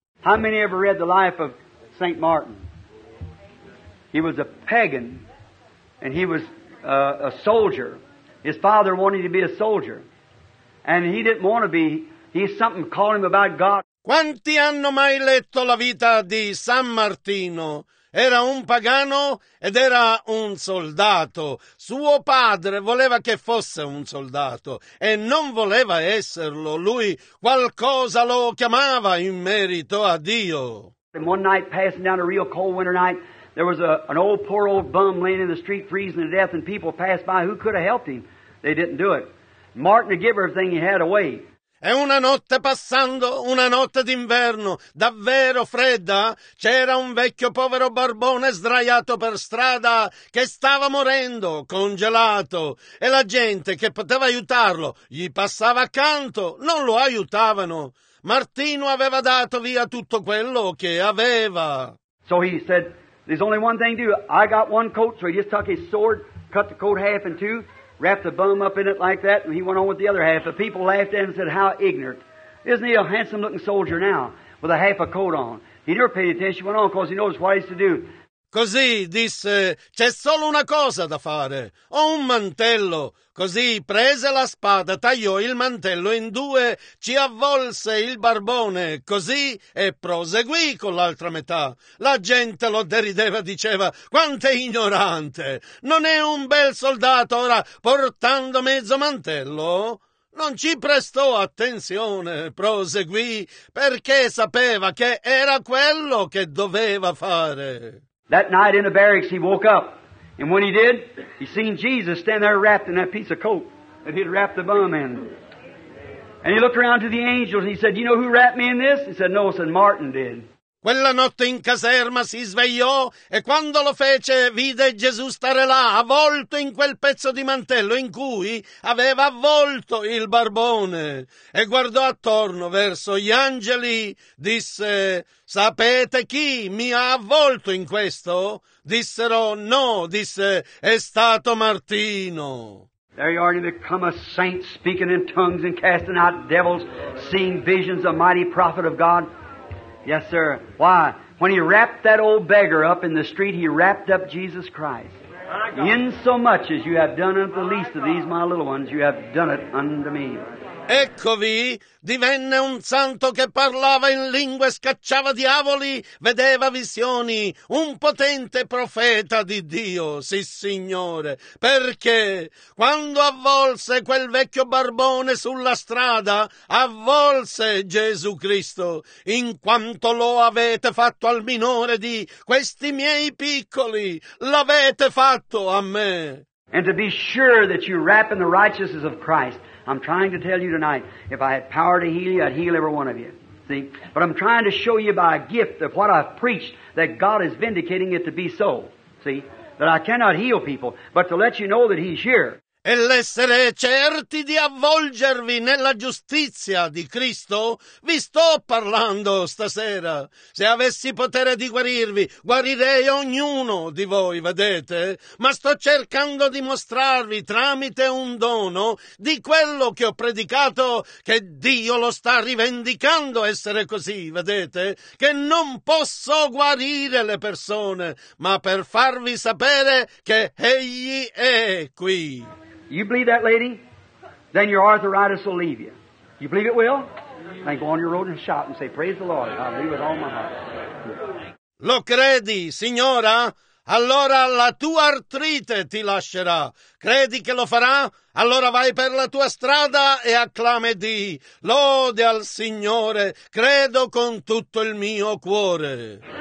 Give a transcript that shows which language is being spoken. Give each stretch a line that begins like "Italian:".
English: How many ever read the life of Saint Martin? He was a pagan, and he was a soldier. His father wanted to be a soldier, and he didn't want to be. He something called him about God.
Italian: Quanti hanno mai letto la vita di San Martino? Era un pagano ed era un soldato. Suo padre voleva che fosse un soldato e non voleva esserlo. Lui qualcosa lo chiamava in merito a Dio.
English: And one night, passing down a real cold winter night, there was an old, poor old bum laying in the street freezing to death, and people passed by who could have helped him. They didn't do it. Martin would give everything he had away.
Italian: E una notte passando, una notte d'inverno, davvero fredda, c'era un vecchio povero barbone sdraiato per strada che stava morendo, congelato, e la gente che poteva aiutarlo gli passava accanto, non lo aiutavano. Martino aveva dato via tutto quello che aveva.
English: So he said, there's only one thing to do. I got one coat, so he just took his sword, cut the coat half in two, wrapped the bum up in it like that, and he went on with the other half. The people laughed at him and said, how ignorant. Isn't he a handsome-looking soldier now with a half a coat on? He never paid attention. He went on because he knows what he's to do.
Italian: Così disse, c'è solo una cosa da fare, ho un mantello. Così prese la spada, tagliò il mantello in due, ci avvolse il barbone, così, e proseguì con l'altra metà. La gente lo derideva, diceva, quanto è ignorante, non è un bel soldato ora portando mezzo mantello? Non ci prestò attenzione, proseguì, perché sapeva che era quello che doveva fare.
English: That night in the barracks, he woke up, and when he did, he seen Jesus stand there wrapped in that piece of coat that he'd wrapped the bum in. And he looked around to the angels, and he said, you know who wrapped me in this? He said, no, he said, Martin did.
Italian: Quella notte in caserma si svegliò, e quando lo fece, vide Gesù stare là, avvolto in quel pezzo di mantello in cui aveva avvolto il barbone. E guardò attorno verso gli angeli, disse, sapete chi mi ha avvolto in questo? Dissero, no, disse, è stato Martino.
English: There you are, you become a saint, speaking in tongues and casting out devils, seeing visions of mighty prophet of God. Yes, sir. Why? When he wrapped that old beggar up in the street, he wrapped up Jesus Christ. In so much as you have done unto the least of these my little ones, you have done it unto me.
Italian: Eccovi, divenne un santo che parlava in lingue, scacciava diavoli, vedeva visioni, un potente profeta di Dio, sì signore, perché quando avvolse quel vecchio barbone sulla strada, avvolse Gesù Cristo, in quanto lo avete fatto al minore di questi miei piccoli, l'avete fatto a me.
English: And to be sure that you wrap in the righteousness of Christ, I'm trying to tell you tonight, if I had power to heal you, I'd heal every one of you. See? But I'm trying to show you by a gift of what I've preached that God is vindicating it to be so. See? That I cannot heal people, but to let you know that He's here.
Italian: E l'essere certi di avvolgervi nella giustizia di Cristo, vi sto parlando stasera. Se avessi potere di guarirvi, guarirei ognuno di voi, vedete? Ma sto cercando di mostrarvi tramite un dono di quello che ho predicato, che Dio lo sta rivendicando essere così, vedete? Che non posso guarire le persone, ma per farvi sapere che Egli è qui.
English: You believe that, lady? Then your arthritis will leave you. You believe it will? Then go on your road and shout and say, praise the Lord. I believe with all my heart.
Italian: Lo credi, signora? Allora la tua artrite ti lascerà. Credi che lo farà? Allora vai per la tua strada e acclama di lode al Signore. Credo con tutto il mio cuore.